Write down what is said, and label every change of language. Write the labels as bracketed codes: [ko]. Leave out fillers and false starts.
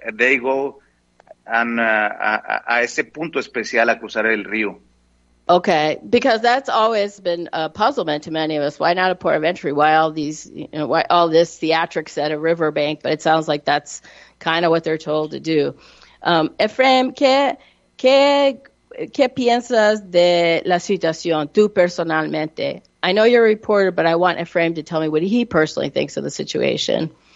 [en] They go [es] a ese punto especial, a cruzar el río. [en] Okay, because that's always been a puzzlement to many of us. Why not a port of entry? Why all these, why all this theatrics at a riverbank? But it sounds like that's kind of what they're told to do. [es] Efraim, ¿qué piensas de la situación tú personalmente? [en] I know you're a reporter, but I want Efraim to tell me what he personally thinks of the situation.